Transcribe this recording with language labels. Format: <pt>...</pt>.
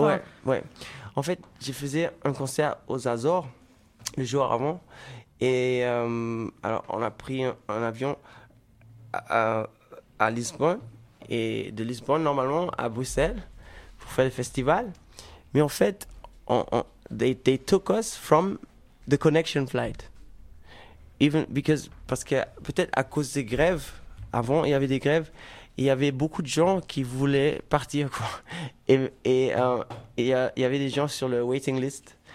<fr>ouais, ouais. En fait, je faisais un concert aux Azores le jour avant. Et alors, on a pris un avion à Lisbonne, et de Lisbonne, normalement, à Bruxelles, pour faire le festival. Mais en fait,</fr> <en>they took us from the connection flight.</en> <fr>Parce que peut-être à cause des grèves, avant, il y avait des grèves, il y avait beaucoup de gens qui voulaient partir, quoi. Et il y avait des gens sur le waiting list.</fr>